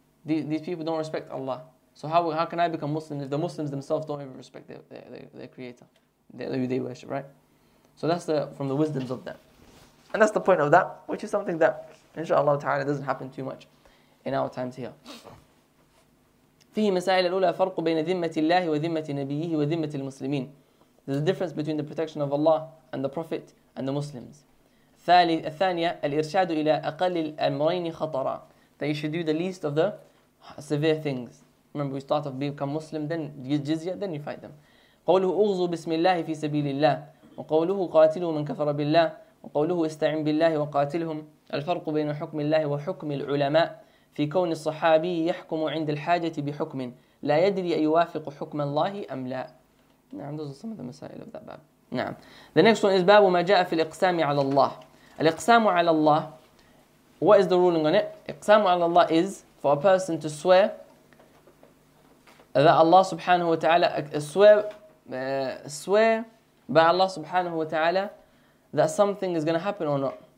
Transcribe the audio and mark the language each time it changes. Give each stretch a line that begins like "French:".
English: These people don't respect Allah. So how can I become Muslim if the Muslims themselves don't even respect their creator, who they worship, right? So that's from the wisdoms of that. And that's the point of that, which is something that, inshallah ta'ala, doesn't happen too much in our times here.
Arabic: فيه مسائل الأولى فرق بين ذمة الله وذمة نبيه وذمة المسلمين.
English: There's a difference between the protection of Allah and the Prophet and the Muslims.
Arabic: الثانية الإرشاد إلى أقل الأمرين خطرا.
English: That you should do the least of the severe things. Remember, we start off become Muslim, then jizya, then you fight them.
Arabic: قوله أغزو بسم الله في سبيل الله وقوله قاتلوا من كفر بالله وقوله استعن بالله وقاتلهم. الفرق بين حكم الله وحكم العلماء في كون الصحابي يحكم عند الحاجة بحكم لا يدري أن يوافق حكم الله أم لا.
English: نعم, those are some of the مسائل of that باب. نعم. The next one is
Arabic: باب ما جاء في الإقسام على الله. الإقسام على الله,
English: what is the ruling on it?
Arabic: إقسام على الله
English: is for a person to swear that Allah subhanahu wa ta'ala, swear by Allah subhanahu wa ta'ala that something is going to happen or not.